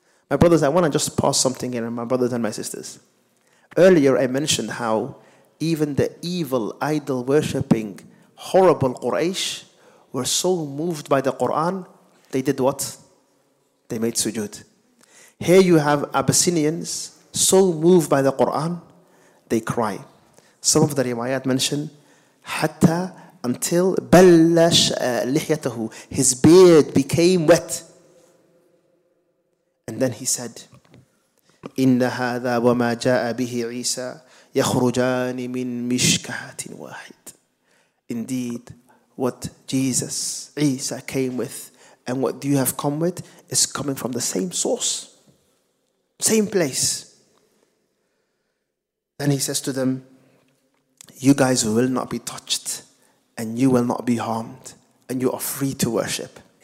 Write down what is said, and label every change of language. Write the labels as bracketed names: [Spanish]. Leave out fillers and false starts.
[English] My brothers, I want to just pause something here, my brothers and my sisters. Earlier, I mentioned how even the evil, idol-worshipping, horrible Quraysh were so moved by the Quran, they did what? They made sujood. Here you have Abyssinians so moved by the Quran, they cry. Some of the riwayat mention, Hatta, until [Arabic] بلش لحيته, [English] his beard became wet. And then he said, [Arabic] إن هذا وما جاء به عيسى يخرجان من مشكاة واحد. [English] Indeed, what Jesus, Isa, came with and what you have come with is coming from the same source, same place. Then he says to them, you guys will not be touched and you will not be harmed, and you are free to worship.